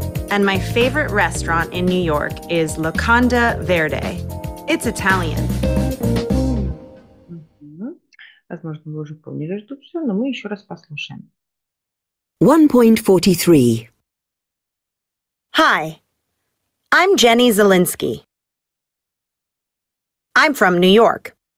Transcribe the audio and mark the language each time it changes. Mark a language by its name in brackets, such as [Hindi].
[English] And my favorite restaurant in New York is Locanda Verde. It's Italian. [Russian] Возможно, вы уже поняли, что все, но мы еще раз послушаем. 1.43. [English] Hi, I'm Jenny Zielinski. I'm from New York.